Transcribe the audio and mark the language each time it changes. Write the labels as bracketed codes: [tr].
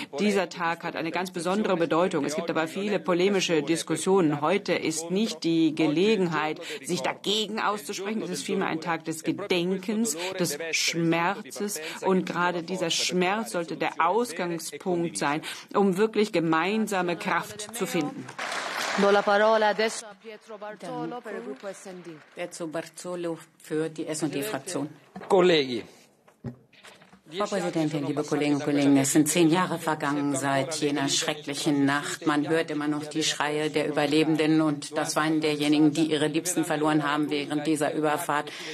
[de] Dieser Tag hat eine ganz besondere Bedeutung. Es gibt aber viele polemische Diskussionen. Heute ist nicht die Gelegenheit, sich dagegen auszusprechen. Es ist vielmehr ein Tag des Gedenkens, des Schmerzes. Und gerade dieser Schmerz sollte der Ausgangspunkt sein, um wirklich gemeinsame Kraft zu finden. [it] Do la parola adesso a Pietro Bartolo per il gruppo SND. [de] Pietro Bartolo für die S&D-Fraktion. [it] Colleghi. [de] Frau Präsidentin, liebe Kolleginnen und Kollegen, es sind 10 Jahre vergangen seit jener schrecklichen Nacht. Man hört immer noch die Schreie der Überlebenden und das Weinen derjenigen, die ihre Liebsten verloren haben während dieser Überfahrt.